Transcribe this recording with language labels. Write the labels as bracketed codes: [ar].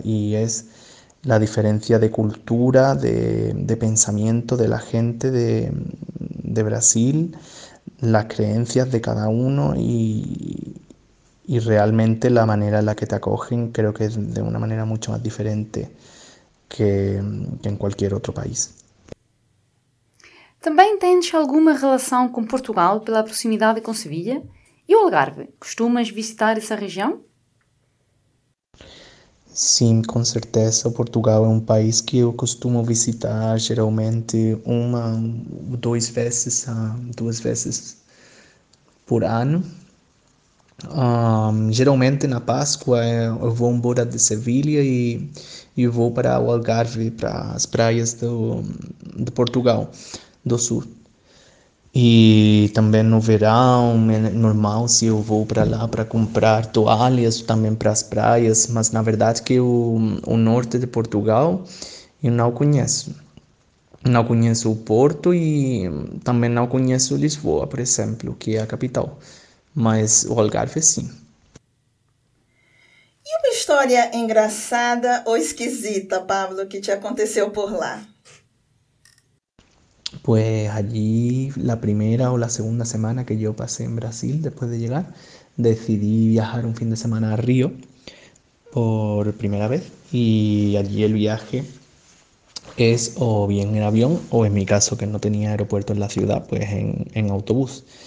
[es] Y es la diferencia de cultura, de pensamiento de la gente de Brasil, las creencias de cada uno y realmente la manera en la que te acogen, creo que es de una manera mucho más diferente que en cualquier otro país. [pt] Também tens alguma relação com Portugal pela proximidade com Sevilha? E o Algarve? Costumas visitar essa região? Sim, com certeza. Portugal é um país que eu costumo visitar geralmente uma ou duas vezes por ano. Geralmente na Páscoa eu vou embora de Sevilha e vou para o Algarve, para as praias de Portugal. Do sul. E também no verão, é normal se eu vou para lá para comprar toalhas, também para as praias, mas na verdade que o norte de Portugal eu não conheço. Não conheço o Porto e também não conheço Lisboa, por exemplo, que é a capital, mas o Algarve sim. História engraçada ou esquisita, Pablo, que te aconteceu por lá? [es] Pues allí la primera o la segunda semana que yo pasé en Brasil después de llegar, decidí viajar un fin de semana a Río por primera vez y allí el viaje es o bien en avión o en mi caso que no tenía aeropuerto en la ciudad, pues en autobús.